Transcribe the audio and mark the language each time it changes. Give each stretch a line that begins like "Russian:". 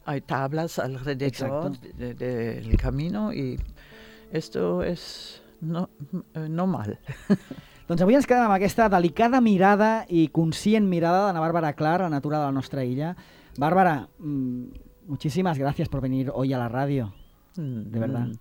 Spanish: Hay tablas alrededor del camino y esto es no mal.
Catalan: Doncs avui ens quedem amb aquesta delicada mirada i conscient mirada d'Anna Bàrbara Clar, la natura de la nostra illa.
Spanish: Bàrbara, muchísimas gracias por venir hoy a la ràdio. De verdad.